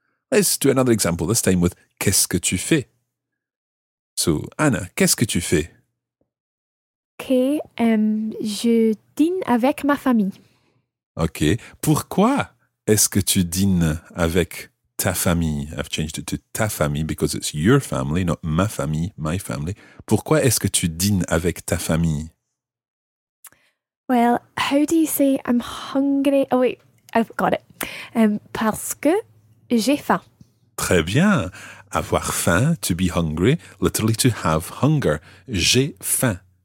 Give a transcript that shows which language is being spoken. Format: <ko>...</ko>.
<en>Let's do another example, this time with</en> <fr>qu'est-ce que tu fais?</fr> <en>So, Anna, qu'est-ce que tu fais?</en> <fr>Je dîne avec ma famille. OK, pourquoi? Est-ce que tu dînes avec ta famille?</fr> <en>I've changed it to</en> <fr>ta famille</fr> <en>because it's your family, not</en> <fr>ma famille,</fr> <en>my family.</en> <fr>Pourquoi est-ce que tu dînes avec ta famille?</fr> <en>Well, how do you say I'm hungry? Oh wait, I've got it.</en> <fr>Parce que j'ai faim. Très bien.</fr> <en>Avoir faim, to be hungry, literally to have hunger.</en> <fr>J'ai faim.</fr>